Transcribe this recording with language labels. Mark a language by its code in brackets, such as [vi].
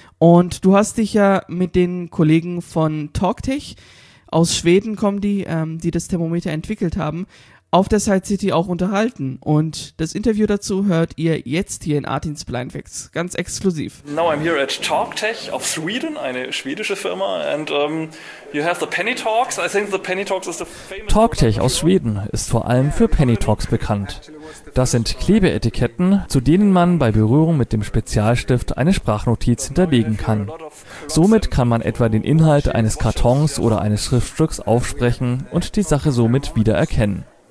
[de] Und du hast dich ja mit den Kollegen von TalkTech, aus Schweden kommen die, die das Thermometer entwickelt haben, auf der Sight City auch unterhalten. Und das Interview dazu hört ihr jetzt hier in Artins Blind Facts, ganz exklusiv. [en] Now I'm here at TalkTech of Sweden, [de] eine schwedische Firma. [en] And you have the Penny Talks. I think the Penny Talks is the famous... [de] TalkTech aus Schweden ist vor allem für Penny Talks bekannt. Das sind Klebeetiketten, zu denen man bei Berührung mit dem Spezialstift eine Sprachnotiz hinterlegen kann. Somit kann man etwa den Inhalt eines Kartons oder eines Schriftstücks aufsprechen und die Sache somit wiedererkennen.